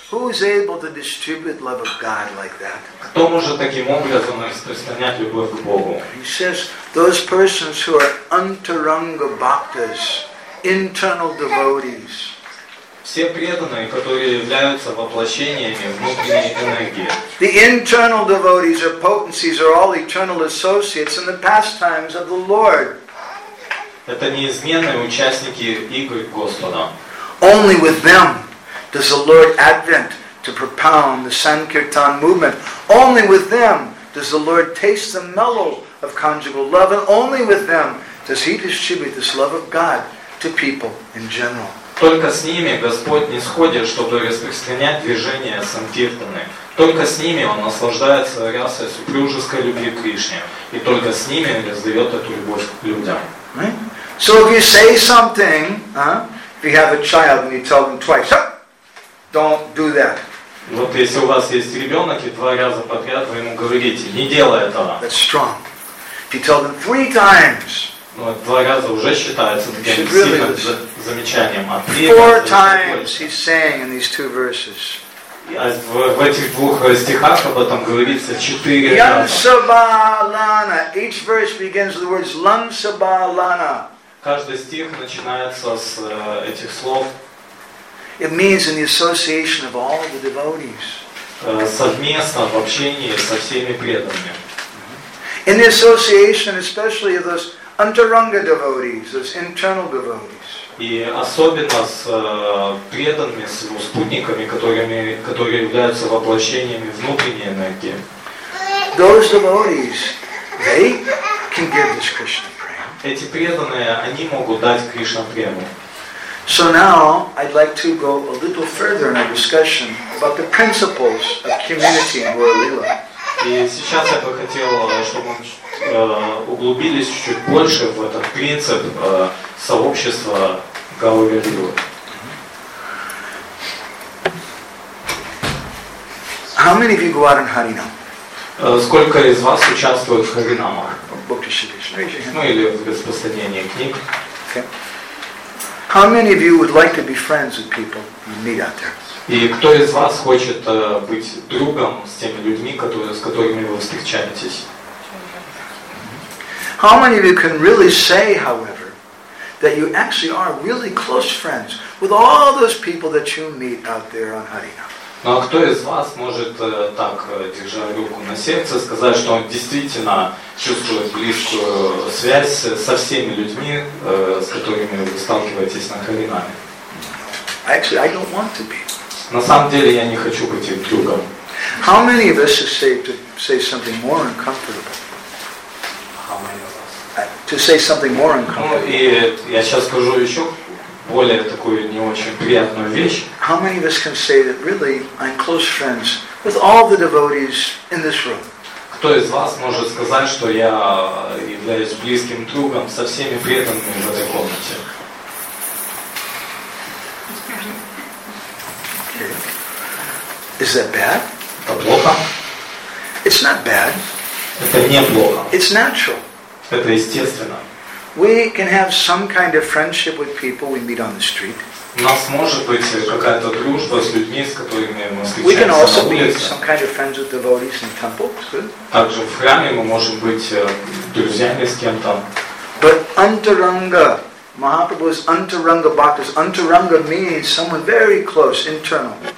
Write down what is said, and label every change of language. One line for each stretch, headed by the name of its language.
English: is able to distribute love of God like that?
Russian: Кто может таким образом распространять любовь к Богу?
English: He says those persons who are antaranga bhaktas, internal devotees.
Russian: Все преданные, которые являются воплощениями внутренней энергии.
English: The internal devotees or potencies are all eternal associates in the pastimes of the Lord.
Russian: Это неизменные участники игры Господа.
English: Only with them does the Lord advent to propound the Sankirtan movement. Only with them does the Lord taste the mellow of conjugal love, and only with them does He distribute this love of God to people in general.
Russian: Только с ними Господь нисходит, чтобы распространять движение Санкиртаны. Только с ними Он наслаждается рясой супружеской любви к Кришне. И только с ними раздает эту любовь к людям.
English: Right? So if you say something, if you have a child and you tell them twice, don't do that.
Russian: Вот если у вас есть ребенок, и два раза подряд вы ему говорите, не делай этого.
English: That's strong. If you tell them three times,
Russian: ну, два раза уже считается таким сильным замечанием.
English: Four times he's saying in these two verses.
Russian: В этих двух стихах об этом говорится четыре раза.
English: Yamsabalana. Each verse begins with the words Lamsabalana.
Russian: Каждый стих начинается с этих слов.
English: It means in the association of all the devotees.
Russian: Совместно в общении со всеми преданными.
English: In the association, especially of those antaranga devotees, those internal devotees.
Russian: И особенно с преданными, с его спутниками, которые являются воплощениями внутренней энергии.
English: Those devotees, they can give this Krishna prema.
Russian: Эти преданные, они могут дать Кришна прему.
English: So now I'd like to go a little further in our discussion about the principles of community in Gaura Lila.
Russian: И сейчас я бы хотел, чтобы мы углубились чуть-чуть больше в этот принцип сообщества Гаура Лила.
English: How many of you go out in Харинам?
Russian: Сколько из вас участвует в Харинамах?
English: Book distribution.
Russian: Ну или в распространении книг.
English: How many of you would like to be friends with people you meet out there?
Russian: И кто из вас хочет быть другом с теми людьми, с которыми вы встречаетесь?
English: How many of you can really say, however, that you actually are really close friends with all those people that you meet out there on Harinam?
Russian: Ну а кто из вас может так, держа руку на сердце, сказать, что он действительно чувствует близкую связь со всеми людьми, с которыми вы сталкиваетесь на Харинаме?
English: Actually, I don't want to be.
Russian: На самом деле, я не хочу быть их другом.
English: How many of us are safe to say something more uncomfortable? How many of us? To say something more uncomfortable.
Russian: Ну и я сейчас скажу еще более такую не очень приятную вещь.
English: How many of us can say that really I'm close friends with all the devotees in this room?
Russian: Кто из вас может сказать, что я являюсь близким другом со всеми преданными в этой комнате?
English: Is that bad?
Russian: Это плохо?
English: It's not bad.
Russian: Это не плохо.
English: It's natural.
Russian: Это естественно.
English: We can have some kind of friendship with people we meet on the street.
Russian: У нас может быть какая-то дружба с людьми, с которыми мы встречаемся на улице.
English: We can also be some kind of friends with devotees in temple.
Russian: Также в храме мы можем быть друзьями с кем-то.
English: But antaranga, Mahaprabhu's antaranga bhaktas. Antaranga means someone very close, internal.